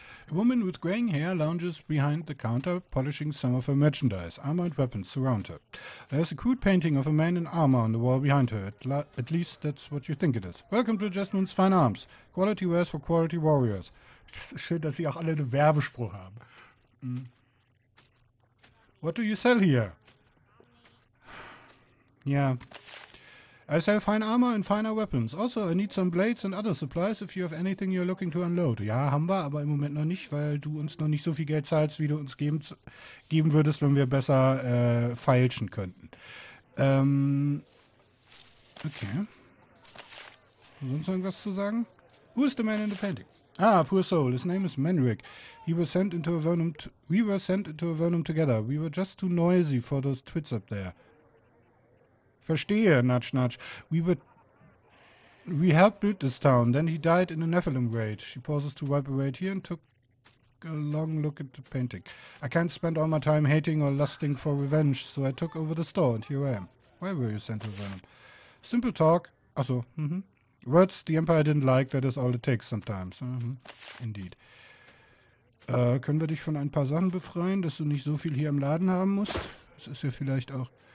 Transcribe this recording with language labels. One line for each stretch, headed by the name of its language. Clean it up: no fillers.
English: A woman with graying hair lounges behind the counter, polishing some of her merchandise. Armor and weapons surround her. There's a crude painting of a man in armor on the wall behind her. At least that's what you think it is. Welcome to Jasmine's Fine Arms. Quality wares for quality warriors.
German: Das ist schön, dass sie auch alle einen Werbespruch haben.
English: What do you sell here? Yeah. I sell fine armor and finer weapons. Also, I need some blades and other supplies if you have anything you're looking to unload.
German: Ja, haben wir, aber im Moment noch nicht, weil du uns noch nicht so viel Geld zahlst, wie du uns geben würdest, wenn wir besser feilschen könnten.
English: Okay.
German: Sonst irgendwas zu sagen?
English: Who is the man in the painting? Ah, poor soul. His name is Manric. He was sent into Avernum. We were sent into Avernum together. We were just too noisy for those twits up there. Verstehe, Nudge Nudge. We helped build this town. Then he died in a Nephilim raid. She pauses to wipe away a tear and took a long look at the painting. I can't spend all my time hating or lusting for revenge, so I took over the store and here I am. Why were you sent to Venom? Simple talk. Achso, Words the Empire didn't like, that is all it takes sometimes. Indeed.
German: Können wir dich von ein paar Sachen befreien, dass du nicht so viel hier im Laden haben musst? Das ist ja vielleicht auch...